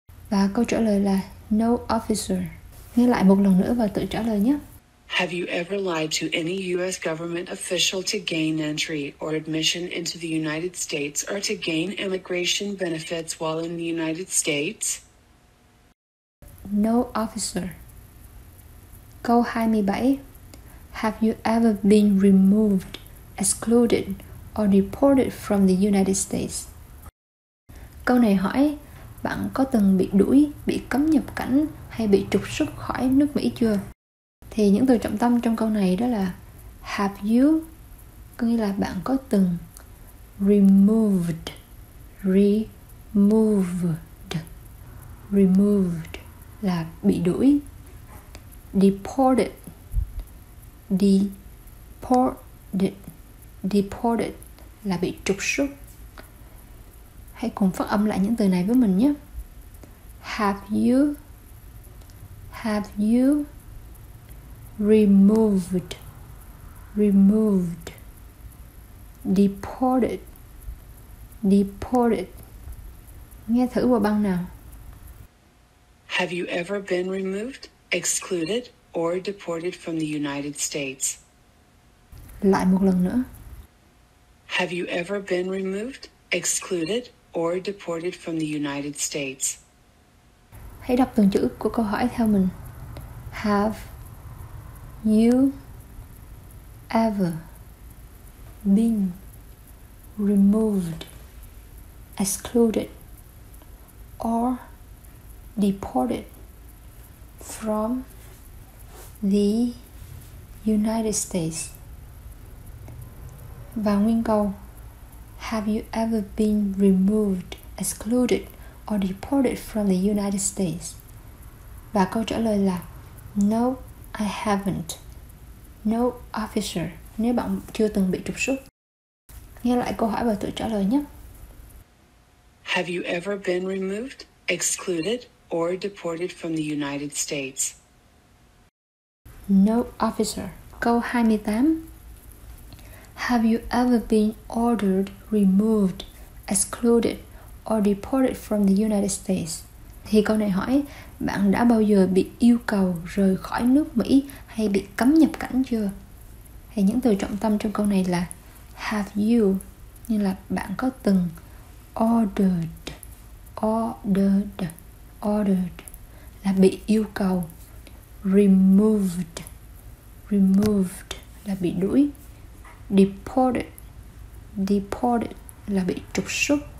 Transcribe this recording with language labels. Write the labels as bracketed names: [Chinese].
[Vietnamese] Và câu trả lời là [English] no officer. [Vietnamese] Nghe lại một lần nữa và tự trả lời nhé. [English] Have you ever lied to any U.S. government official to gain entry or admission into the United States or to gain immigration benefits while in the United States? No officer. [Vietnamese] Câu 27. [English] Have you ever been removed, excluded, or deported from the United States? [Vietnamese] Câu này hỏi, bạn có từng bị đuổi, bị cấm nhập cảnh hay bị trục xuất khỏi nước Mỹ chưa? Thì những từ trọng tâm trong câu này đó là Have you, có nghĩa là bạn có từng, removed là bị đuổi. Deported. Deported. Deported là bị trục xuất. Hãy cùng phát âm lại những từ này với mình nhé. [English] Have you, have you removed, removed, deported, deported. [Vietnamese] Nghe thử qua băng nào. [English] Have you ever been removed, excluded, or deported from the United States? [Vietnamese] Lại một lần nữa. [English] Have you ever been removed, excluded, or deported from the United States? [Vietnamese] Hãy đọc từng chữ của câu hỏi theo mình. [English] Have you ever been removed, excluded, or deported from the United States? [Vietnamese] Và nguyên câu, [English] have you ever been removed, excluded, or deported from the United States? [Vietnamese] Và câu trả lời là, [English] no, I haven't. No, officer. [Vietnamese] Nếu bạn chưa từng bị trục xuất. Nghe lại câu hỏi và tự trả lời nhé. [English] Have you ever been removed, excluded, or deported from the United States? No, officer. [Vietnamese] Câu 28. [English] Have you ever been ordered, removed, excluded, or deported from the United States? [Vietnamese] Thì câu này hỏi, bạn đã bao giờ bị yêu cầu rời khỏi nước Mỹ hay bị cấm nhập cảnh chưa? Thì những từ trọng tâm trong câu này là have you, như là bạn có từng ordered, ordered, ordered, là bị yêu cầu, removed, removed, là bị đuổi, deported, deported, là bị trục xuất.